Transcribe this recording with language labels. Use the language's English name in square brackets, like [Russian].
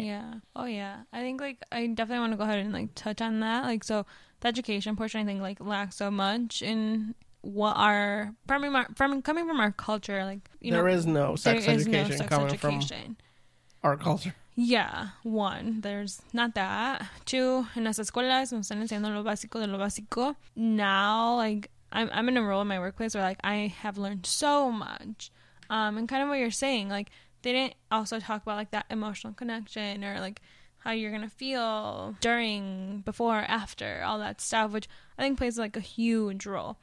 [English] Yeah. Oh, yeah. I think like I definitely want to go ahead and like touch on that. Like, so the education portion, I think, like lacks so much in what our, coming from our culture, like, you there know, is no sex there education is no sex coming education. From our culture. Yeah, one, there's not that. [Spanish] Two, en las escuelas me están enseñando lo básico de lo básico. [English] Now, like, I'm in a role in my workplace where, like, I have learned so much. And kind of what you're saying, like, they didn't also talk about, like, that emotional connection or, like, how you're going to feel during, before, after, all that stuff, which I think plays, like, a huge role.